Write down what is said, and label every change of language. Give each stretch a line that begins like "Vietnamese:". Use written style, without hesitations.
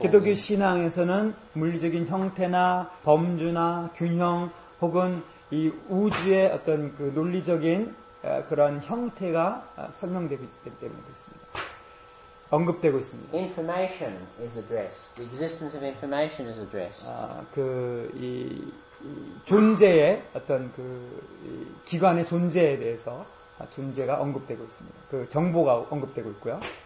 Korean: 기독교 신앙에서는 물리적인 형태나 범주나 균형 혹은 이 우주의 어떤 그 논리적인 그런 형태가 설명되기 때문에 그렇습니다. 언급되고 있습니다.
English: Information is addressed. The existence of information is addressed.
Korean: 그 이 존재의 어떤 그 이 기관의 존재에 대해서. 존재가 언급되고 있습니다. 그 정보가 언급되고 있고요.